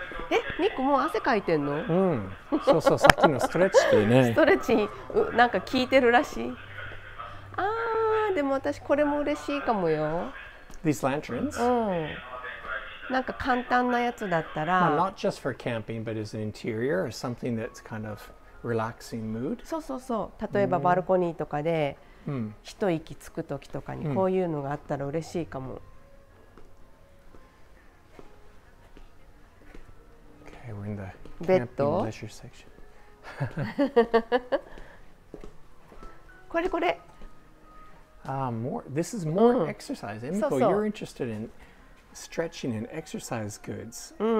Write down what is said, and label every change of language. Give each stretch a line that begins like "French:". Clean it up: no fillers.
Japanese: え、ニックもう汗かいてんの？うん、そうそう、さっきのストレッチっていうね。ストレッチ、なんか効いてるらしい。あー、でも私これも嬉しいかもよ。
English: These lanterns?
Japanese: うん。なんか簡単なやつだったら。
English: Well, not just for camping, but as an interior or something that's kind of relaxing mood?
Japanese: そうそうそう。例えばバルコニーとかで、一息つくときとかにこういうのがあったら嬉しいかも。
English: Okay, we're in the camping and leisure section.
Japanese: これこれ。
English: More. This is more exercise. Emiko, you're interested in stretching and exercise goods.